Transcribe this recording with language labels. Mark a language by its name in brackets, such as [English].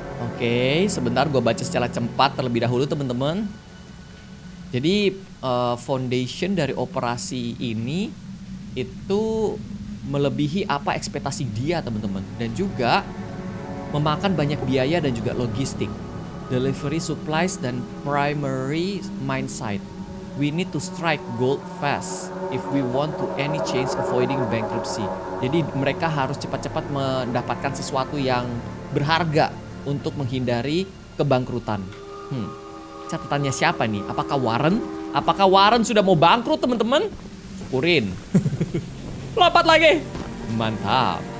[Indonesian] Oke, sebentar gue baca secara cepat terlebih dahulu, teman-teman. Jadi foundation dari operasi ini itu melebihi apa ekspektasi dia, teman-teman. Dan juga memakan banyak biaya dan juga logistik. [English] Delivery supplies dan primary mine site. We need to strike gold fast if we want to any chance avoiding bankruptcy. [Indonesian] Jadi mereka harus cepat-cepat mendapatkan sesuatu yang berharga untuk menghindari kebangkrutan. Catatannya siapa nih? Apakah Warren? Apakah Warren sudah mau bangkrut, teman-teman? Syukurin. Lompat lagi. Mantap.